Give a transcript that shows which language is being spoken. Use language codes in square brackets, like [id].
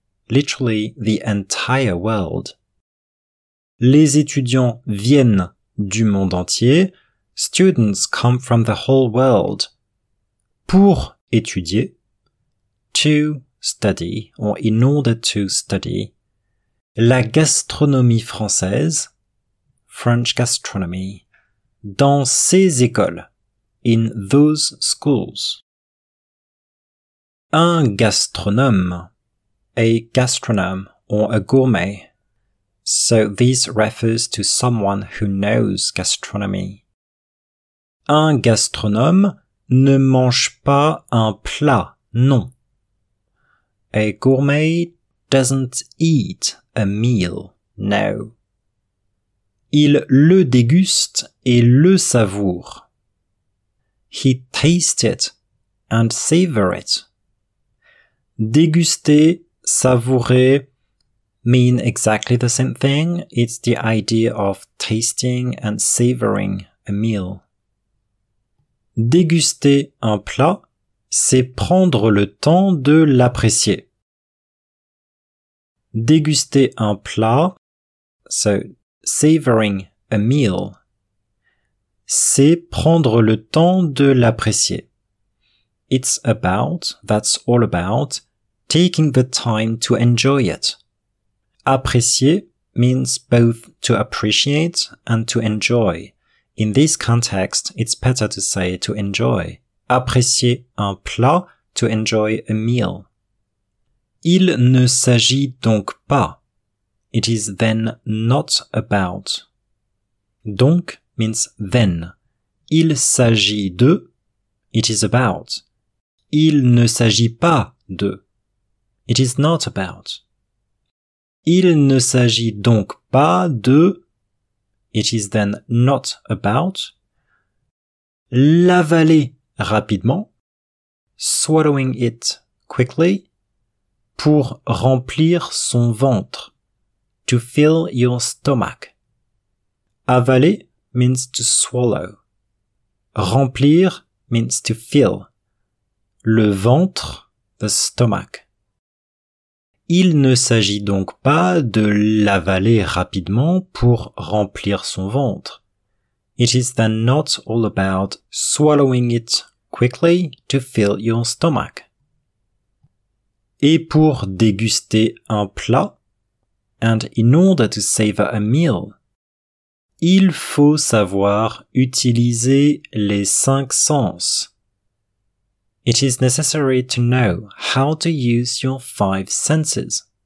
[en] literally the entire world. [fr] Les étudiants viennent du monde entier. [en] Students come from the whole world. [fr] Pour étudier. [en] To study, or in order to study. [fr] La gastronomie française. [en] French gastronomy. [fr] Dans ces écoles. [en] In those schools. [fr] Un gastronome. [en] A gastronome, or a gourmet. So this refers to someone who knows gastronomy. [fr] Un gastronome ne mange pas un plat, non. [en] A gourmet doesn't eat a meal, no. [fr] Il le déguste et le savoure. [en] He tastes it and savours it. Déguster, savourer, mean exactly the same thing. It's the idea of tasting and savouring a meal. [fr] Déguster un plat, c'est prendre le temps de l'apprécier. Déguster un plat, [en] so savouring a meal, [fr] c'est prendre le temps de l'apprécier. [en] It's about, that's all about, taking the time to enjoy it. Apprécier means both to appreciate and to enjoy. In this context, it's better to say to enjoy. [fr] Apprécier un plat, [en] to enjoy a meal. [fr] Il ne s'agit donc pas. [en] It is then not about. Donc means then. [fr] Il s'agit de. [en] It is about. [fr] Il ne s'agit pas de. [en] It is not about. [fr] Il ne s'agit donc pas de. [en] It is then not about. [fr] L'avaler rapidement. [en] Swallowing it quickly. [fr] Pour remplir son ventre. [en] To fill your stomach. Avaler means to swallow. Remplir means to fill. [fr] Le ventre, [en] the stomach. [fr] Il ne s'agit donc pas de l'avaler rapidement pour remplir son ventre. [en] It is then not all about swallowing it quickly to fill your stomach. [fr] Et pour déguster un plat, [en] and in order to savor a meal, [fr] il faut savoir utiliser les cinq sens. [en] It is necessary to know how to use your five senses.